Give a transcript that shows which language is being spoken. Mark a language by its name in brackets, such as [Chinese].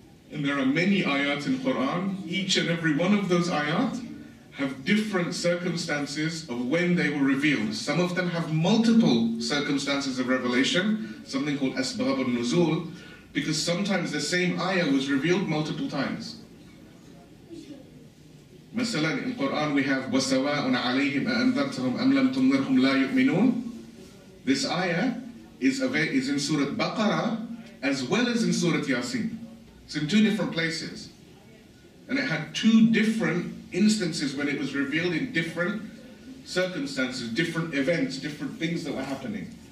[English] And there are many ayat in Quran. Each and every one of those ayat have different circumstances of when they were revealed. Some of them have multiple circumstances of revelation, something called asbab al-nuzul, because sometimes the same ayah was revealed multiple times. Masalan, in Quran we have [Arabic] وَسَوَاءٌ عَلَيْهِمْ أَأَنذَرْتَهُمْ أَمْ لَمْ تُنذِرْهُمْ لَا يُؤْمِنُونَ. [English] This ayah is in Surah Baqarah as well as in Surah Yasin. It's in two different places. And it had two different instances when it was revealed in different circumstances, different events, different things that were happening.